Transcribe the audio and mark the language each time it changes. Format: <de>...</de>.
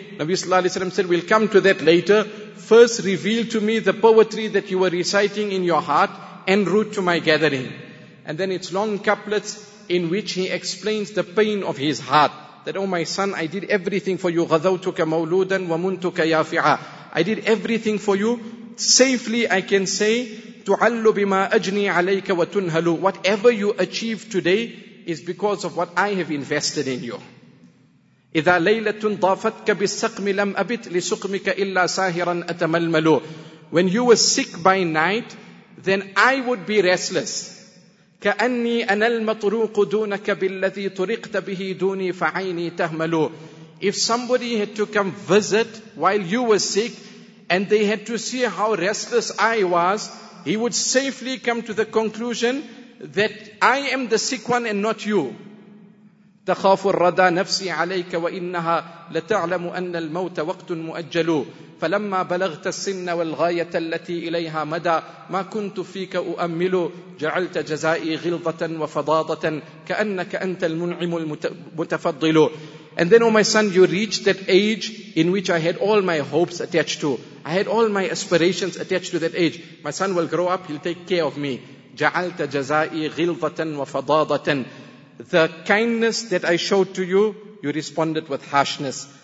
<en>Nabi sallallahu alayhi wa sallam said, we'll come to that later. First reveal to me the poetry that you were reciting in your heart en route to my gathering. And then it's long couplets in which he explains the pain of his heart. That, oh my son, I did everything for you.</en> <ar>غَذَوْتُكَ مَوْلُودًا وَمُنْتُكَ يَافِعًا.</ar> <en>I did everything for you. Safely I can say,</en> <ar>تُعَلُّ بِمَا أَجْنِي عَلَيْكَ وَتُنْهَلُ.</ar> <en>Whatever you achieve today is because of what I have invested in you.</en> <ar>إِذَا لَيْلَةٌ ضَافَتْكَ بِالسَّقْمِ لَمْ أَبِتْ لِسُقْمِكَ إِلَّا سَاهِرًا أَتَمَلْمَلُ.</ar> <en>When you were sick by night, then I would be restless.</en> <ar>كأني أنا المطروق دونك بالذي طرقت به دوني فعيني تهمل.</ar> <en>If somebody had to come visit while you were sick and they had to see how restless I was, he would safely come to the conclusion that I am the sick one and not you.</en> <ar>تخاف الردى نفسي عليك وإنها لتعلم أن الموت وقت مؤجل. فلما بلغت السن والغاية التي إليها مدى ما كنت فيك أؤمل. جعلت جزائي غلظة وفضاضة كأنك أنت المنعم المتفضل.</ar> <en>And then, oh my son, you reached that age in which I had all my hopes attached to. I had all my aspirations attached to that age. My son will grow up, he'll take care of me.</en> <ar>جعلت جزائي غلظة وفضاضة.</ar> <en>The kindness that I showed to you, you responded with harshness.</en>